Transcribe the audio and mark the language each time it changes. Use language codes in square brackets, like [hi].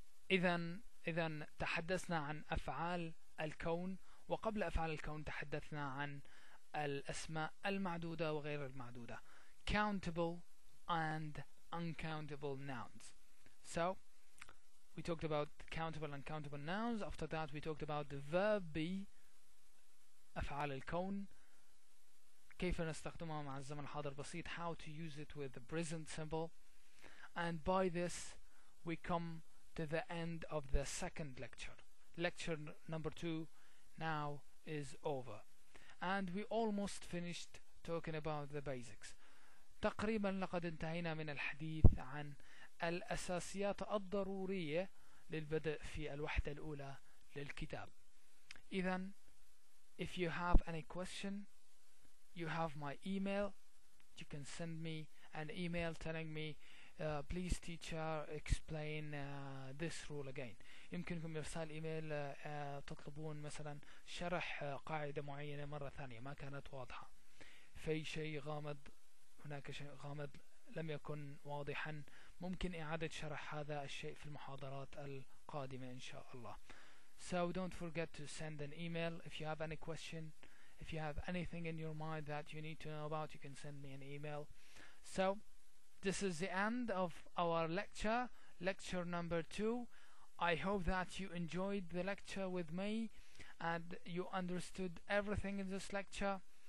[ar] إذا تحدثنا عن أفعال الكون وقبل أفعال الكون تحدثنا عن الأسماء المعدودة وغير المعدودة. [en] Countable and uncountable nouns. So we talked about countable and uncountable nouns. After that we talked about the verb be [ar] أفعال الكون. كيف نستخدمها مع الزمن الحاضر البسيط. [en] How to use it with the present simple. And by this, we come to the end of the second lecture. Lecture number 2 now is over. And we almost finished talking about the basics. [ar] تقريبا لقد انتهينا من الحديث عن الأساسيات الضرورية للبدء في الوحدة الأولى للكتاب. إذن, [en] if you have any question, you have my email. You can send me an email telling me please teacher explain this rule again. [ar] يمكنكم إرسال إيميل تطلبون مثلا شرح قاعدة معينة مرة ثانية ما كانت واضحة. في شيء غامض, هناك شيء غامض لم يكن واضحا, ممكن إعادة شرح هذا الشيء في المحاضرات القادمة إن شاء الله. [en] So don't forget to send an email. If you have any question, if you have anything in your mind that you need to know about, you can send me an email. So this is the end of our lecture, lecture number 2. I hope that you enjoyed the lecture with me and you understood everything in this lecture.